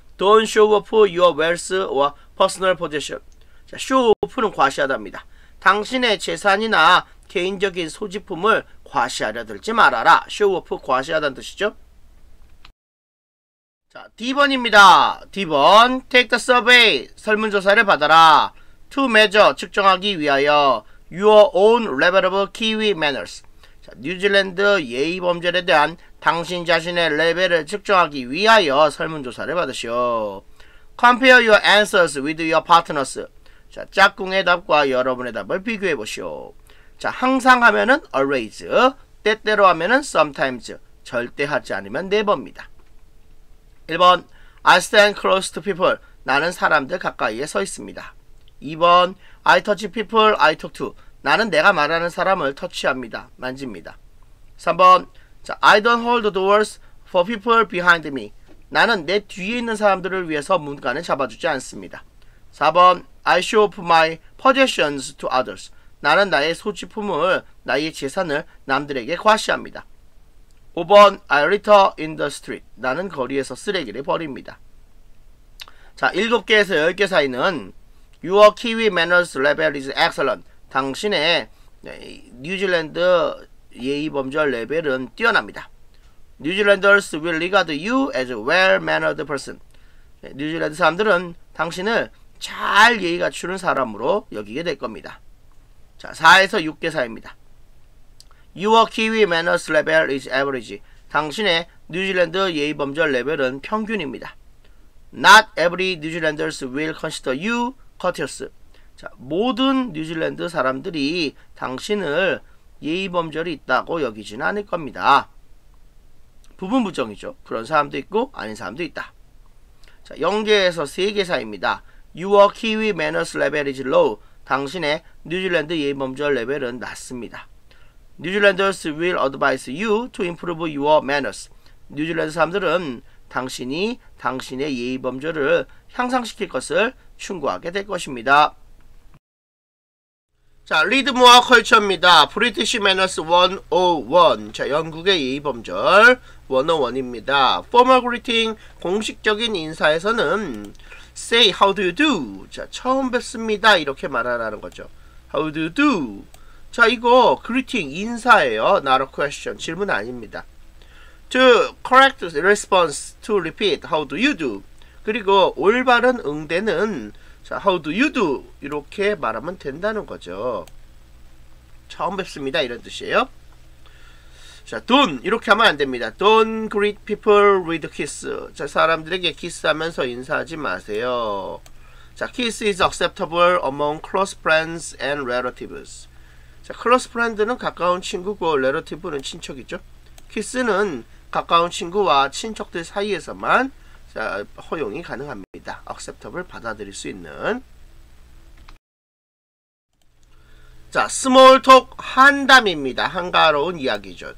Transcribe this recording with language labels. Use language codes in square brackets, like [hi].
[en] Don't show off your wealth or personal possession. [ko] 자, show off는 과시하답니다. 당신의 재산이나 개인적인 소지품을 과시하려 들지 말아라. Show off 과시하다는 뜻이죠. 자, D번입니다. D번. [en] Take the survey. [ko] 설문조사를 받아라. [en] To measure, [ko] 측정하기 위하여 [en] your own level of Kiwi manners. [ko] 자, 뉴질랜드 예의 범죄에 대한 당신 자신의 레벨을 측정하기 위하여 설문조사를 받으시오. [en] Compare your answers with your partners. [ko] 자, 짝꿍의 답과 여러분의 답을 비교해 보시오. 자, 항상 하면은 always, 때때로 하면은 sometimes, 절대 하지 않으면 never입니다. [en] 1번, I stand close to people. [ko] 나는 사람들 가까이에 서 있습니다. [en] 2번, I touch people I talk to. [ko] 나는 내가 말하는 사람을 터치합니다. 만집니다. [en] 3번, 자, I don't hold the doors for people behind me. [ko] 나는 내 뒤에 있는 사람들을 위해서 문간을 잡아주지 않습니다. [en] 4번, I show off my possessions to others. [ko] 나는 나의 소지품을, 나의 재산을 남들에게 과시합니다. [en] 5번, I litter in the street. [ko] 나는 거리에서 쓰레기를 버립니다. 자, 7개에서 10개 사이는 [en] Your Kiwi manners level is excellent. [ko] 당신의 뉴질랜드 예의범절 레벨은 뛰어납니다. [en] Newzealanders will regard you as a well-mannered person. [ko] 뉴질랜드 사람들은 당신을 잘 예의 갖추는 사람으로 여기게 될 겁니다. 자, 4에서 6개 사이입니다. [en] Your Kiwi manners level is average. [ko] 당신의 뉴질랜드 예의범절 레벨은 평균입니다. [en] Not every Newzealanders will consider you courteous. [ko] 자, 모든 뉴질랜드 사람들이 당신을 예의범절이 있다고 여기지는 않을 겁니다. 부분부정이죠. 그런 사람도 있고 아닌 사람도 있다. 자, 0개에서 3개 사이입니다. [en] Your Kiwi manners level is low. [ko] 당신의 뉴질랜드 예의범절 레벨은 낮습니다. [en] Newzealanders will advise you to improve your manners. [ko] 뉴질랜드 사람들은 당신이 당신의 예의범절을 향상시킬 것을 충고하게 될 것입니다. 자, 리드모아 컬처입니다. [en] British Manners 101. [ko] 자, 영국의 예의범절 101입니다. [en] Formal greeting, [ko] 공식적인 인사에서는 [en] Say, how do you do? [ko] 자, 처음 뵙습니다. 이렇게 말하라는 거죠. [en] How do you do? [ko] 자, 이거 greeting, 인사예요. [en] Not a question, [ko] 질문 아닙니다. [en] To correct response, to repeat, how do you do? [ko] 그리고 올바른 응대는 자, [en] how do you do? [ko] 이렇게 말하면 된다는 거죠. 처음 뵙습니다. 이런 뜻이에요. 자, don't. 이렇게 하면 안 됩니다. [en] Don't greet people with kiss. [ko] 자, 사람들에게 키스하면서 인사하지 마세요. [en] 자, kiss is acceptable among close friends and relatives. [ko] 자, close friend는 가까운 친구고 relative는 친척이죠. 키스는 가까운 친구와 친척들 사이에서만 자, 허용이 가능합니다. acceptable 받아들일 수 있는. 자, small talk 한담입니다. 한가로운 이야기죠.